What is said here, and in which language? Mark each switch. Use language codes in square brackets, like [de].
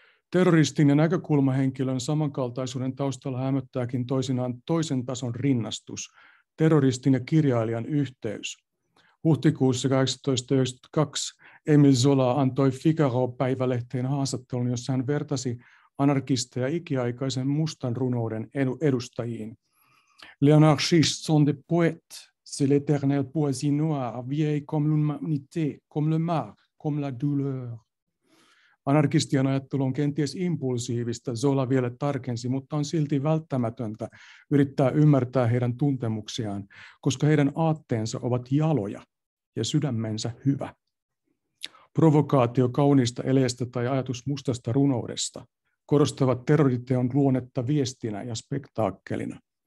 [fi] Terroristin ja näkökulmahenkilön samankaltaisuuden taustalla hämöttääkin toisinaan toisen tason rinnastus, terroristin ja kirjailijan yhteys. Huhtikuussa 1892 Emile Zola antoi Figaro-päivälehteen haastattelun, jossa hän vertasi anarkisteja ikiaikaisen mustan runouden edustajiin. [fr] L'anarchiste sont des poètes, c'est l'éternel poésie noire, vieille comme l'humanité, comme le mal, comme la douleur. [fi] Anarkistien ajattelu on kenties impulsiivista, Zola vielä tarkensi, mutta on silti välttämätöntä yrittää ymmärtää heidän tuntemuksiaan, koska heidän aatteensa ovat jaloja ja sydämensä hyvä. Provokaatio kauniista eleestä tai ajatus mustasta runoudesta korostavat terroriteon luonnetta viestinä ja spektaakkelina.